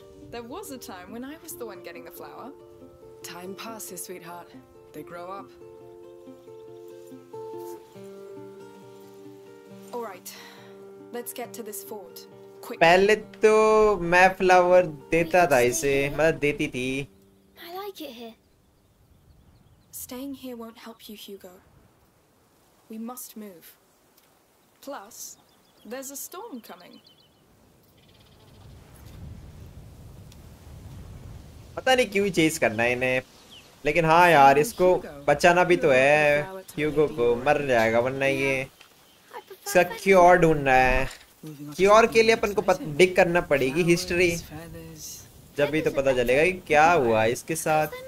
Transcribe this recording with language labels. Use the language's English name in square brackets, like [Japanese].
[English] There was a time when I was the one getting the flower. Time passes, sweetheart. They grow up. All right, let's get to this fort. Quick. [Hindi] पहले तो मैं flower देता था इसे, मतलब देती थी। [English] Here. Staying here won't help you, Hugo. We must move. Plus, there's a storm coming. [Hindi] पता नहीं क्यों चेज करना है इन्हें, लेकिन हाँ यार इसको बचाना भी तो है। ह्यूगो को मर जाएगा वरना ये इसका क्योर ढूंढना है। क्योर के लिए अपन को डिग करना पड़ेगी हिस्ट्री, जब भी तो पता चलेगा कि क्या हुआ इसके साथ।